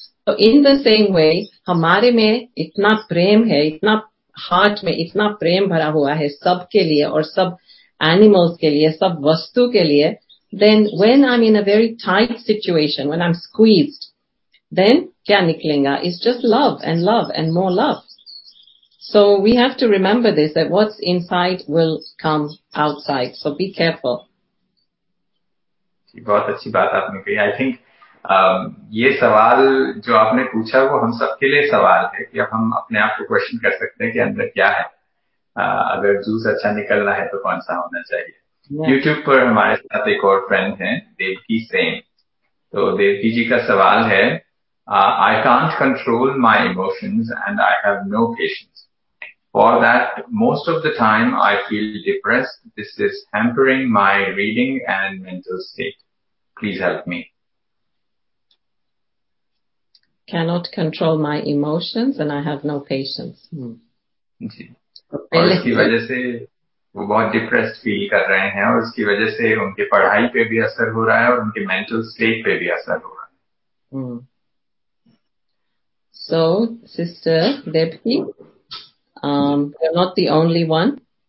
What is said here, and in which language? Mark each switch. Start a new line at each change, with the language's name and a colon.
English: तो in the same way
Hindi: हमारे में इतना प्रेम है, इतना हार्ट में इतना प्रेम भरा हुआ है सबके लिए और सब एनिमल्स के लिए, सब वस्तु के लिए.
English: then when I am in a very tight situation, when I am squeezed, then
Hindi: क्या निकलेगा,
English: It's just love and love and more love. So we have to remember this, that what's inside will come outside. So be careful.
Hindi: बहुत अच्छी बात आपने कही. I think ये सवाल जो आपने पूछा वो हम सबके लिए सवाल है कि अब हम अपने आप को क्वेश्चन कर सकते हैं कि अंदर क्या है. अगर जूस अच्छा निकलना है तो कौन सा होना चाहिए. यूट्यूब पर हमारे साथ एक और फ्रेंड है देवकी सेन. तो देवकी जी का सवाल है
English: I can't control my emotions and I have no patience. For that, most of the time I feel depressed. This is hampering my reading and mental state. Please help me. Cannot control my emotions and I have no patience.
Hindi: जी. और इसकी वजह से वो बहुत depressed feel कर रहे हैं और इसकी वजह से उनके पढ़ाई पे भी असर हो रहा है और उनके mental state पे भी असर हो रहा है.
English: So, sister Debki. You're not the only one.